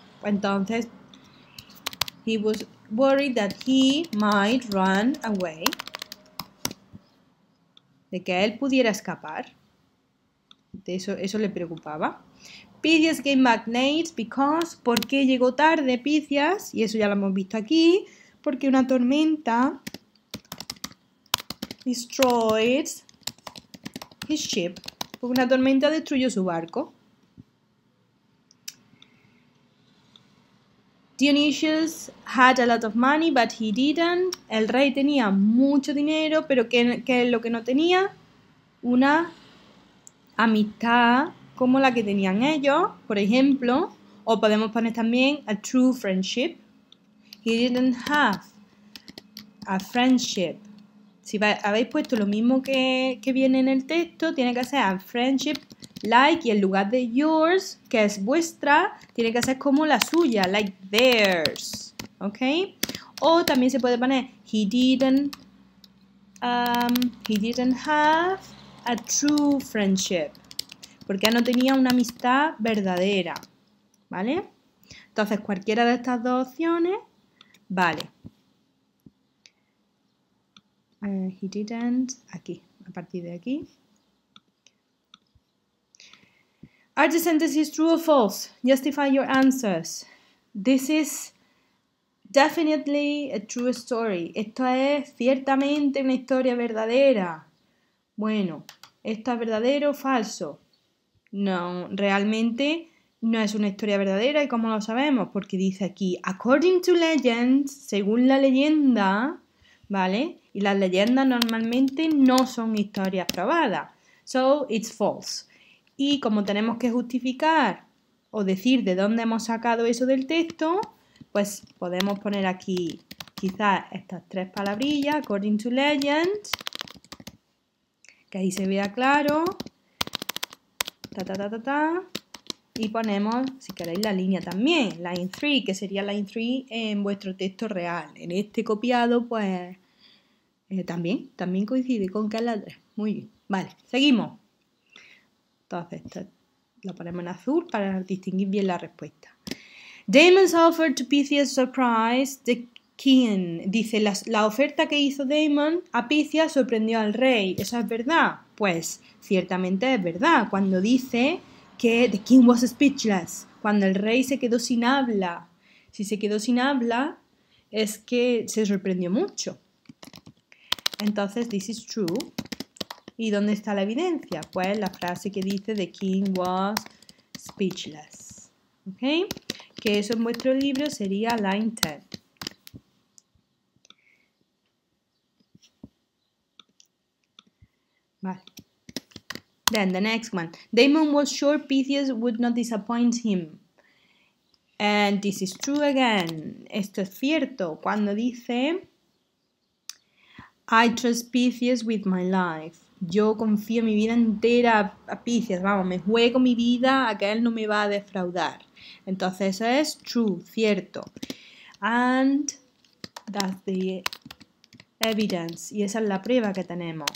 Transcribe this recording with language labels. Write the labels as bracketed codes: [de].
[es] Entonces, [en] he was worried that he might run away. [es] De que él pudiera escapar. De eso le preocupaba. [en] Pythias came back late because, [es] ¿por qué llegó tarde Pythias? Y eso ya lo hemos visto aquí, porque una tormenta [en] destroyed his ship. [es] Porque una tormenta destruyó su barco. [en] Dionysius had a lot of money, but he didn't. [es] El rey tenía mucho dinero, pero ¿qué es lo que no tenía? Una amistad como la que tenían ellos, por ejemplo, o podemos poner también [en] a true friendship. He didn't have a friendship. [es] Si habéis puesto lo mismo que viene en el texto, tiene que ser [en] a friendship like [es] y en lugar de yours, que es vuestra, tiene que ser como la suya, [en] like theirs. [es] ¿Okay? O también se puede poner [en] he didn't have a true friendship. [es] Porque no tenía una amistad verdadera, ¿vale? Entonces, cualquiera de estas dos opciones, vale. [en] He didn't, [es] aquí, a partir de aquí. [en] Are the sentences true or false? Justify your answers. This is definitely a true story. [es] Esto es ciertamente una historia verdadera. Bueno, ¿esto es verdadero o falso? No, realmente no es una historia verdadera y cómo lo sabemos, porque dice aquí, [en] according to legend, [es] según la leyenda, ¿vale? Y las leyendas normalmente no son historias probadas, [en] so it's false. [es] Y como tenemos que justificar o decir de dónde hemos sacado eso del texto, pues podemos poner aquí quizás estas tres palabrillas, [en] according to legend, [es] que ahí se vea claro. Ta, ta, ta, ta, ta. Y ponemos, si queréis, la línea también, line 3, que sería line 3 en vuestro texto real. En este copiado, pues también coincide con que es la 3. Muy bien. Vale, seguimos. Entonces, lo ponemos en azul para distinguir bien la respuesta. [en] Daemon's offer to Pythias surprised the king. [es] Dice, la oferta que hizo Daemon a Pythias sorprendió al rey. ¿Eso es verdad? Pues ciertamente es verdad cuando dice que [en] the king was speechless, [es] cuando el rey se quedó sin habla. Si se quedó sin habla, es que se sorprendió mucho. Entonces, [en] this is true. [es] ¿Y dónde está la evidencia? Pues la frase que dice [en] the king was speechless. ¿Okay? [es] Que eso en vuestro libro sería line 10. Vale. [en] Then the next one. Damon was sure Pythias would not disappoint him. And this is true again. [es] Esto es cierto. Cuando dice, [en] I trust Pythias with my life. [es] Yo confío mi vida entera a Pythias. Vamos, me juego mi vida a que él no me va a defraudar. Entonces eso es true, cierto. [en] And that's the evidence. [es] Y esa es la prueba que tenemos.